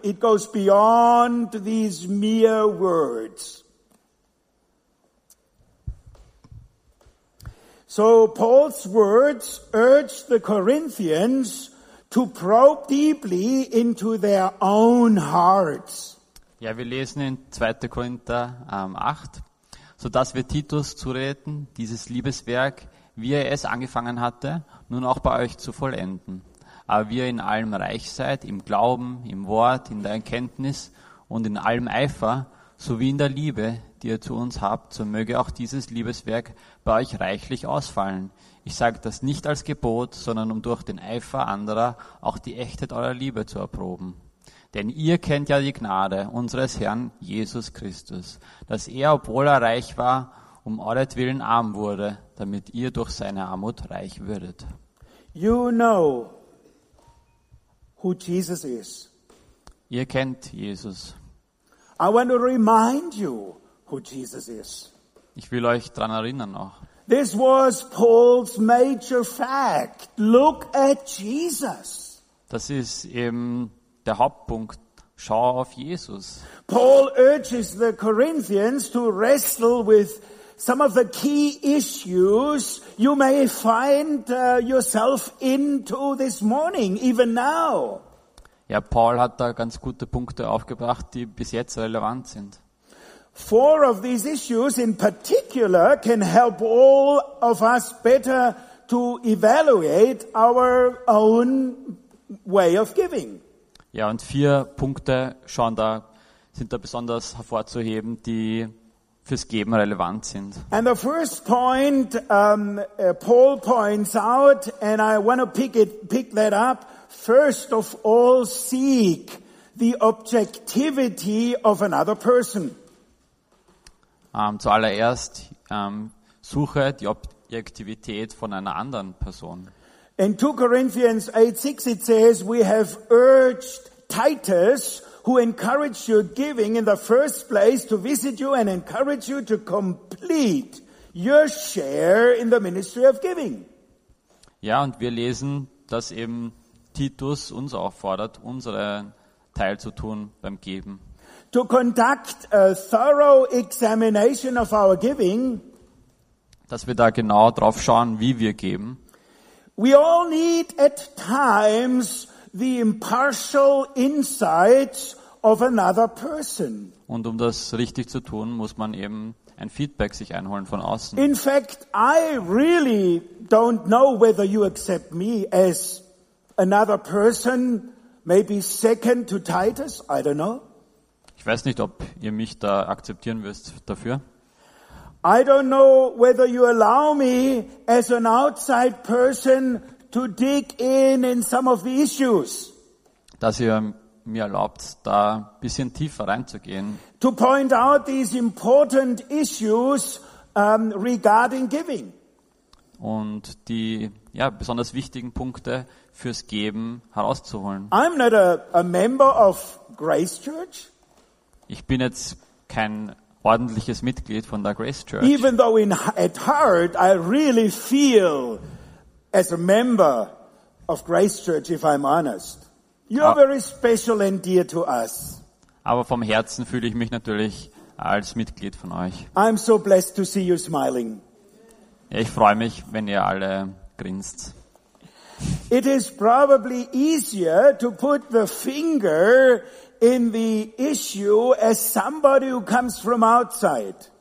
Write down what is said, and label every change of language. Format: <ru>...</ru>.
<en>It goes beyond these mere words. So Paul's words urged the Corinthians to probe deeply into their own hearts.</en> <de>Ja, wir lesen in 2. Korinther 8, sodass wir Titus zureten, dieses Liebeswerk, wie er es angefangen hatte, nun auch bei euch zu vollenden. Aber wie ihr in allem reich seid, im Glauben, im Wort, in der Erkenntnis und in allem Eifer, sowie in der Liebe, die ihr zu uns habt, so möge auch dieses Liebeswerk bei euch reichlich ausfallen. Ich sage das nicht als Gebot, sondern um durch den Eifer anderer auch die Echtheit eurer Liebe zu erproben. Denn ihr kennt ja die Gnade unseres Herrn Jesus Christus, dass er, obwohl er reich war, um euretwillen arm wurde, damit ihr durch seine Armut reich würdet.</de> <en>You know who Jesus is.</en> <de>Ihr kennt Jesus.</de> <en>I want to remind you who Jesus is.</en> <de>Ich will euch dran erinnern noch.</de> <en>This was Paul's major fact. Look at Jesus.</en> <de>Das ist eben der Hauptpunkt. Schau auf Jesus.</de> <en>Paul urges the Corinthians to wrestle with some of the key issues you may find yourself into this morning, even now.</en> <de>Ja, Paul hat da ganz gute Punkte aufgebracht, die bis jetzt relevant sind.</de> <en>Four of these issues in particular can help all of us better to evaluate our own way of giving.</en> <de>Ja, und vier Punkte schauen da, sind da besonders hervorzuheben, die fürs Geben relevant sind.</de> <en>And the first point Paul points out, and I want to pick that up, first of all, seek the objectivity of another person.</en> <de>Zuallererst suche die Objektivität von einer anderen Person.</de> <en>In 2 Corinthians 8:6 it says, we have urged Titus, who encouraged your giving in the first place, to visit you and encourage you to complete your share in the ministry of giving.</en> <de>Ja, und wir lesen, dass eben Titus uns auffordert, unseren Teil zu tun beim Geben.</de> <en>To conduct a thorough examination of our giving.</en> <de>Dass wir da genau drauf schauen, wie wir geben.</de> <en>We all need at times the impartial insights of another person.</en> <de>Und um das richtig zu tun, muss man eben ein Feedback sich einholen von außen.</de> <en>In fact, I really don't know whether you accept me as another person, maybe second to Titus, I don't know.</en> <de>Ich weiß nicht, ob ihr mich da akzeptieren wirst dafür.</de> <en>I don't know whether you allow me as an outside person to dig in some of the issues.</en> <de>Dass ihr mir erlaubt, da ein bisschen tiefer reinzugehen.</de> <en>To point out these important issues regarding giving.</en> <de>Und die ja, besonders wichtigen Punkte fürs Geben herauszuholen.</de> <en>I'm not a member of Grace Church.</en> <de>Ich bin jetzt kein ordentliches Mitglied von der Grace Church.</de> <en>Even though at heart I really feel as a member of Grace Church, if I'm honest. You're very special and dear to us.</en> <de>Aber vom Herzen fühle ich mich natürlich als Mitglied von euch.</de> <en>I'm so blessed to see you smiling.</en> <de>Ich freue mich, wenn ihr alle grinst.</de> <en>It is probably easier to put the finger in the issue as somebody who comes from outside.</en>